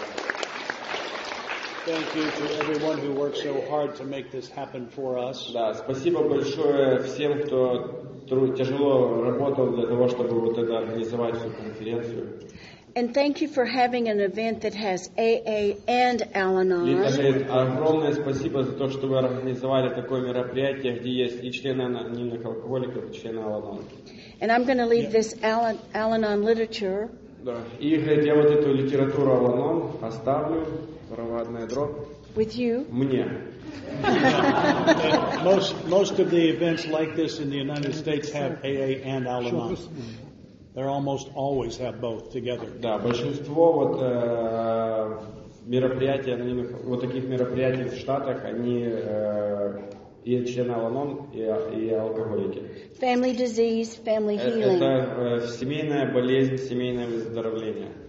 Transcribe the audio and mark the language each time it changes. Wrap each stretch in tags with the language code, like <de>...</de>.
<en>Thank you to everyone who worked so hard to make this happen for us.</en> <ru>Да, спасибо большое всем, кто тяжело работал для того, чтобы вот это организовать всю конференцию.</ru> <en>And thank you for having an event that has AA and Al-Anon.</en> <ru>И также огромное спасибо за то, что вы организовали такое мероприятие, где есть и члены анонимных алкоголиков, и члены Al-Anon.</ru> <en>And I'm going to leave this Al-Anon literature.</en> <ru>Да. И я вот эту литературу Al-Anon оставлю. Проводная дробь.</ru> <en>With you.</en> <ru>Мне.</ru> <en>Most of the events like this in the United States have AA and Al-Anon. They almost always have both together.</en> <ru>Да, большинство вот мероприятий, анонимных, вот таких мероприятий в Штатах, они и члены Al-Anon, и алкоголики.</ru> <en>Family disease, family healing.</en> <ru>Это семейная болезнь, семейное выздоровление.</ru>